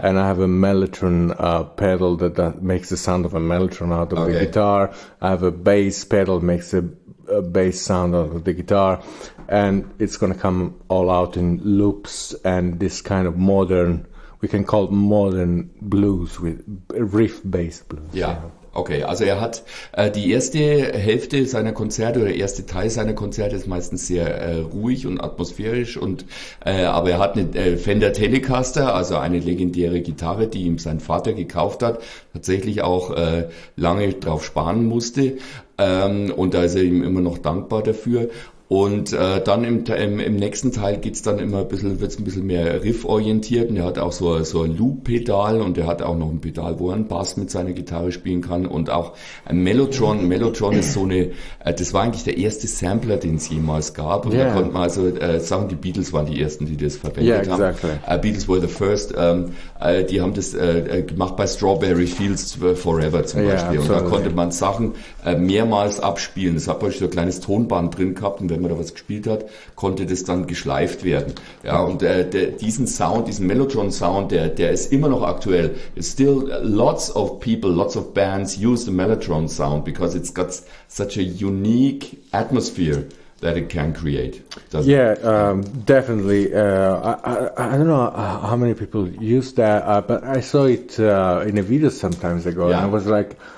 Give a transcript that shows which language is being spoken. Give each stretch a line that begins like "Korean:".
English: And I have a mellotron pedal that makes the sound of a mellotron out of the guitar. I have a bass pedal that makes a bass sound out of the guitar. And it's going to come all out in loops and this kind of modern, we can call it modern blues with riff-based blues. Yeah.
German: Okay, also er hat die erste Hälfte seiner Konzerte oder der erste Teil seiner Konzerte ist meistens sehr ruhig und atmosphärisch und aber er hat eine Fender Telecaster, also eine legendäre Gitarre, die ihm sein Vater gekauft hat, tatsächlich auch lange drauf sparen musste, und da ist er ihm immer noch dankbar dafür. Und dann im nächsten Teil geht's dann immer wird's ein bisschen mehr rifforientiert, und er hat auch so ein Loop-Pedal, und er hat auch noch ein Pedal, wo er einen Bass mit seiner Gitarre spielen kann, und auch ein Mellotron. Mellotron ist so eine, das war eigentlich der erste Sampler, den es jemals gab, und da konnte man also sagen, die Beatles waren die ersten, die das verwendet haben.
English: Beatles were the first,
German: die haben das gemacht bei Strawberry Fields Forever zum Beispiel, und da konnte man Sachen mehrmals abspielen. Es hat praktisch so ein kleines Tonband drin gehabt, und wenn man da was gespielt hat, konnte das dann geschleift werden. Ja, und diesen Sound, diesen Mellotron-Sound, der ist immer noch aktuell.
English: It's still lots of people, lots of bands use the Mellotron-Sound because it's got such a unique atmosphere that it can create. Definitely. I don't know how many people use that, but I saw it in a video sometimes ago, and I was like,